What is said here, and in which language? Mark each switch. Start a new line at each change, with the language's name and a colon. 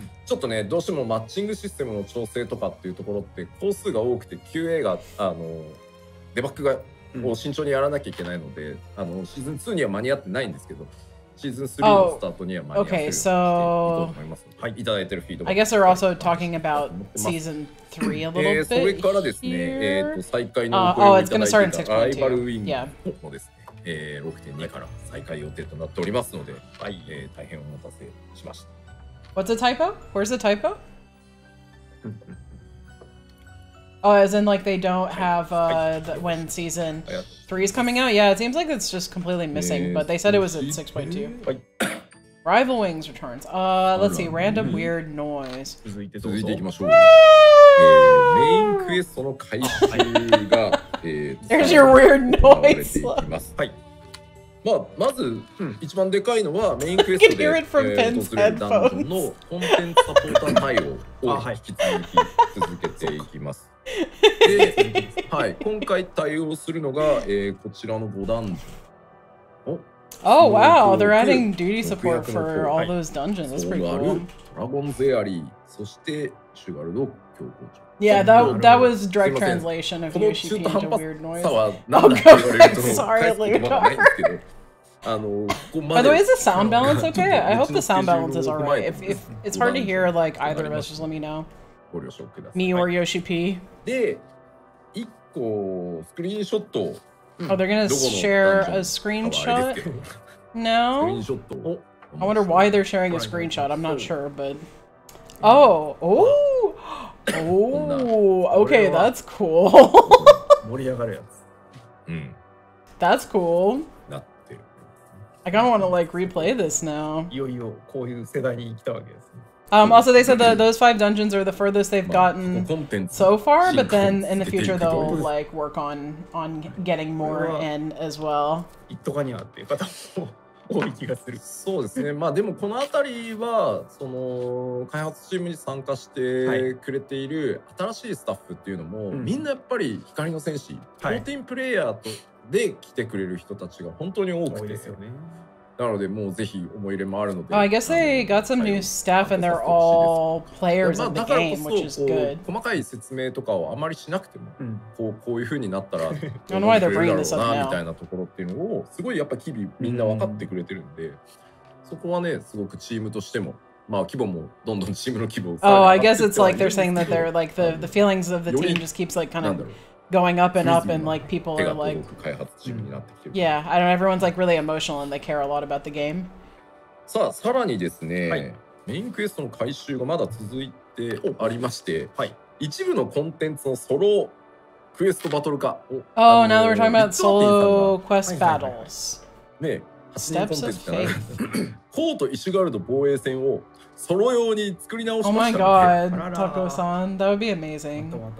Japanese: ちょっとねどうしてもマッチングシステムの調整とかっていうところって工数が多くて QA がデバッグを慎重にやらなきゃいけないので、シーズン2には間に合ってないんですけど、シーズン3のスタートには間に合ってると思います。はい、いただいてるフィードバック。
English: I guess we're also talking about season 3 a little bit.
Japanese: それからですね、再開の遅れをいただいていたライバルウィンもですね、6.2 から再開予定となっておりますので、はい、大変お待たせしました。
English: What's a typo? Where's the typo? Oh, as in like they don't have the when season 3 is coming out? Yeah, it seems like it's just completely missing, but they said it was at 6.2. Rival Wings returns. Let's see, random weird noise.
Japanese: 続いていきましょう。メインクエストの回収が、
English: There's your weird noise!
Japanese: はい。まあ、まず一番でかいのはメインクエストで訪れるダンジョンのコンテンツサポーター対応を引き続き続けていきます。で、はい、今回対応するのが、こちらの5ダンジョン。
English: Oh wow, they're adding duty support for all those dungeons. That's pretty cool.
Japanese: ドラゴンゼアリー、そしてシュガルド強行者。
English: Yeah, that was direct translation of Yoshiki into weird noise. Sorry, Lugar. By the way, is the sound balance okay? I hope the sound balance is alright. If it's hard to hear like either of us, just let me know. Me or Yoshiki. Oh, they're gonna share a screenshot? No? I wonder why they're sharing a screenshot. I'm not sure, but... Oh! Oh! Oh, okay, that's cool.
Japanese: 盛り上がるやつ。
English: That's cool.
Japanese: なってる。
English: I kind of want to like replay this now.
Japanese: いよいよこういう世代に来たわけです。
English: Also, they said that those five dungeons are the furthest they've gotten so far, but then in the future they'll like work on getting more in as well.
Japanese: 一途にあって方も多い気がする。そうですね。まあでもこの辺りはその開発チームに参加してくれている新しいスタッフっていうのも、はい、みんなやっぱり光の戦士、フォーティンプレイヤーとで来てくれる人たちが本当に多くて、多いですよね。なのでもうぜひ思い入れもあるので。
English: I guess they got some new staff and they're all players in the game, which is good.
Japanese: 細かい説明とかをあまりしなくても、こういう風になったら、どのくらいだろうなみたいなところっていうのをすごいやっぱ日々みんな分かってくれてるんで、そこはねすごくチームとしても、まあ規模もどんどんチームの規模。
English: Oh, I guess it's like they're saying that they're like the feelings of the team just keeps like kind of going up and up, and like people are like, yeah, I don't know, everyone's like really emotional and they care a lot about the game.
Japanese: さあ、さらにですね、メインクエストの回収がまだ続いてありまして、一部のコンテンツのソロクエストバトル化。
English: Oh, now we're talking about solo quest battles.
Japanese: ね、
English: Steps of Fate.
Japanese: コウとイシュガルド防衛戦をソロ用に作り直しました。
English: Oh my god, Taco-san, that would be amazing.